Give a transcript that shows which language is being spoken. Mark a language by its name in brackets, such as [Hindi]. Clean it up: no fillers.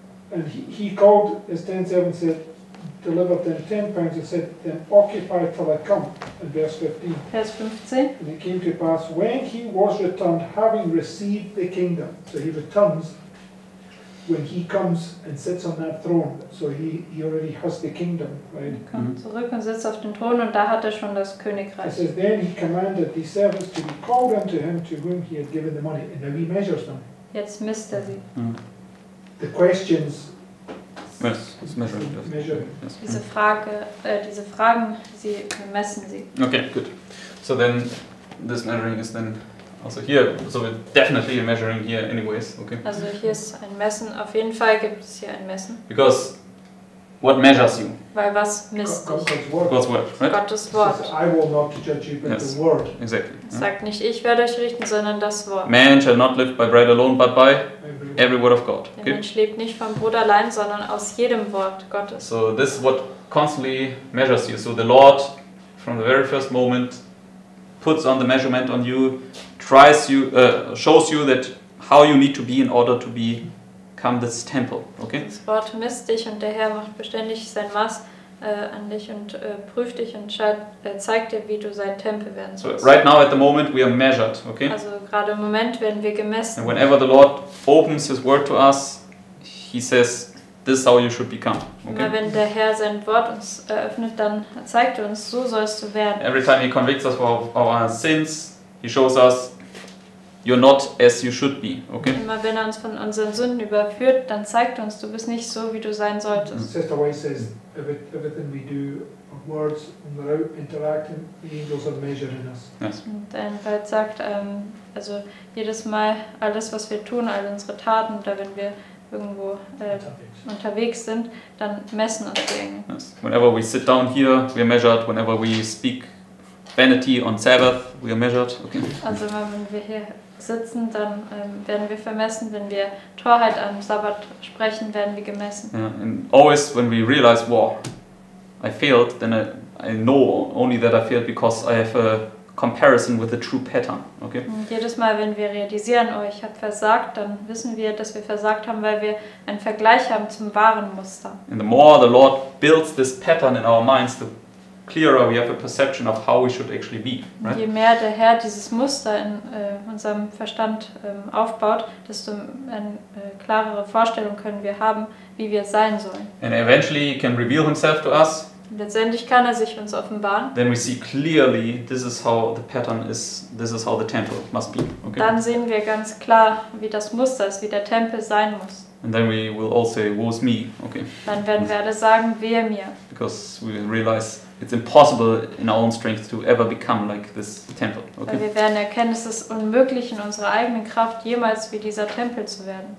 [English] And he called his 10 servants, said, delivered them 10 pounds, and said, then occupy till I come. In verse 15. [German] Vers 15. [English] And it came to pass, when he was returned, having received the kingdom. So he returns. When he comes and sits on that throne, so he already has the kingdom, right? [German] Er kommt zurück und sitzt auf dem Thron und da hat er schon das Königreich. [English] It says, then he commanded the servants to be called unto him to whom he had given the money, and now he measures them. [German] Jetzt misst er sie. [English] The questions. Yes, it's measuring. Yes. [German] Diese Frage, diese Fragen, sie messen sie. [English] Okay, good. So then, this measuring is then Also here, so we're definitely measuring here anyways, okay? [German] Also hier ist ein Messen, auf jeden Fall gibt es hier ein Messen. [English] Because what measures you? [German] Weil was misst dich? [English] God's word, right? [German] Gottes Wort. It [English] says, I will not judge you, but yes. The word. Exactly. Yeah. [German] Sagt nicht, ich werde euch richten, sondern das Wort. [English] Man shall not live by bread alone, but by every word of God. [German] Okay? Der Mensch lebt nicht vom Brot allein, sondern aus jedem Wort Gottes. [English] So this is what constantly measures you. So the Lord, from the very first moment, puts on the measurement on you, tries you, shows you that how you need to be in order to become this temple. Okay? [German] Das Wort misst dich und der Herr macht beständig sein Maß an dich und prüft dich und zeigt dir, wie du sein Tempel werden sollst. [English] So right now at the moment we are measured. Okay? [German] Also gerade im Moment werden wir gemessen. [English] And whenever the Lord opens his word to us, he says, this is how you should become. Okay? [German] Immer wenn der Herr sein Wort uns eröffnet, dann zeigt er uns, so sollst du werden. [English] Every time he convicts us of our sins, he shows us, you're not as you should be. Okay? [German] Immer wenn er uns von unseren Sünden überführt, dann zeigt er uns, du bist nicht so, wie du sein solltest. [English] Sister Way says, everything we do, words, without interacting, the angels are measuring us. Yes. [German] Und dann bald sagt, also jedes Mal, alles, was wir tun, all unsere Taten, da wenn wir irgendwo unterwegs sind, dann messen uns die Engel. [English] Yes. Whenever we sit down here, we are measured. Whenever we speak vanity on Sabbath, we are measured. Okay. [German] Also wenn wir hier sitzen, dann werden wir vermessen. Wenn wir Torheit am Sabbat sprechen, werden wir gemessen. [English] Yeah. And always when we realize, wow, I failed, then I know only that I failed because I have a comparison with the true pattern, okay? [German] Und jedes Mal, wenn wir realisieren, oh, ich habe versagt, dann wissen wir, dass wir versagt haben, weil wir einen Vergleich haben zum wahren Muster. [English] And the more the Lord builds this pattern in our minds, the clearer we have a perception of how we should actually be, right? [German] Je mehr der Herr dieses Muster in unserem Verstand aufbaut, desto eine klarere Vorstellung können wir haben, wie wir sein sollen. [English] And eventually he can reveal himself to us. [German] Letztendlich kann er sich uns offenbaren. [English] Then we see clearly, this is how the pattern is, this is how the temple must be. Okay. [German] Dann sehen wir ganz klar, wie das Muster ist, wie der Tempel sein muss. [English] And then we will all say, woe's me. Okay. [German] Dann werden wir alle sagen, wehe mir. [English] Because we realize it's impossible in our own strength to ever become like this temple. Okay. [German] Weil wir werden erkennen, es ist unmöglich in unserer eigenen Kraft jemals wie dieser Tempel zu werden.